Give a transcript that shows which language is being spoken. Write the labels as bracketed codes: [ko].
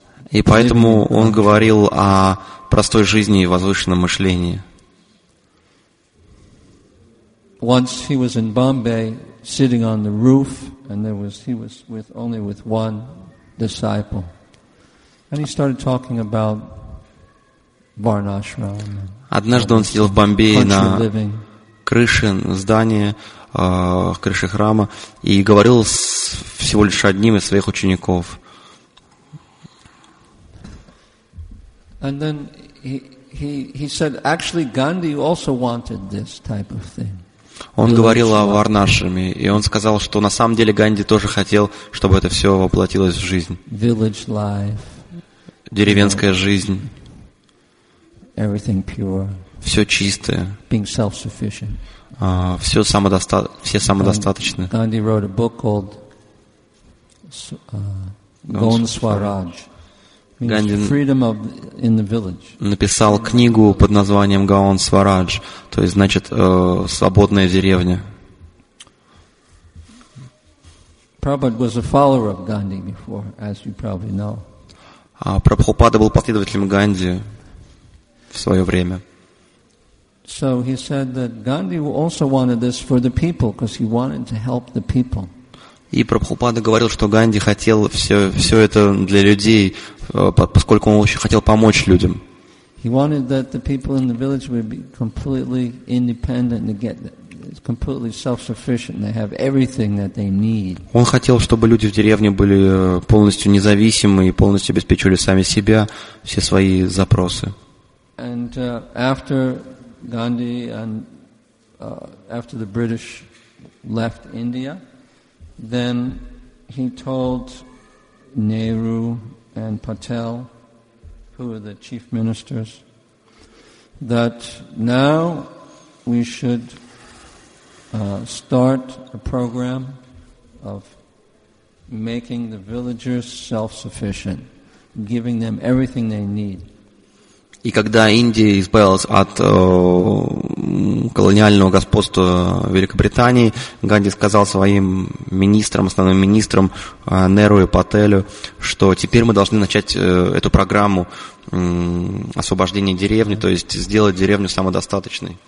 [ru] И поэтому он говорил о простой жизни и возвышенном мышлении. [en] Once he was in Bombay, sitting on the roof, and he was with only with one disciple, and he started talking about Varnashram. [ru] Однажды он сидел в Бомбее на крыше здания. Крыши храма и говорил с всего лишь одним из своих учеников. [en] And then he said, actually, Gandhi also wanted this type of thing. [ru] Он говорил о Варнашраме, и он сказал, что на самом деле Ганди тоже хотел, чтобы это все воплотилось в жизнь. [en] Village life. [ru] Деревенская жизнь. [en] Everything pure. [ru] Все чистое. [en] Being self-sufficient. [ru] Все самодостаточно. [en] Ганди wrote a book called Gaon-Swaraj. Ганди freedom of in the village. [ru] Написал книгу под названием Gaon-Swaraj, то есть значит свободная деревня. [en] Prabhupada was a follower of Gandhi before, as you probably know. [ru] А Прабхупада был последователем Ганди в свое время. [en] So he said that Gandhi also wanted this for the people because he wanted to help the people. [ru] И Прабхупада говорил, что Ганди хотел все это для людей, поскольку он очень хотел помочь людям. [en] He wanted that the people in the village would be completely independent and get completely self-sufficient. They have everything that they need. [ru] Он хотел, чтобы люди в деревне были полностью независимы и полностью обеспечивали сами себя, все свои запросы. [en] And after Gandhi and after the British left India, then he told Nehru and Patel, who were the chief ministers, that now we should start a program of making the villagers self-sufficient, giving them everything they need. [ru] И когда Индия избавилась от колониального господства Великобритании, Ганди сказал своим министрам, основным министрам, Неру и Пателю, что теперь мы должны начать эту программу освобождения деревни, то есть сделать деревню самодостаточной.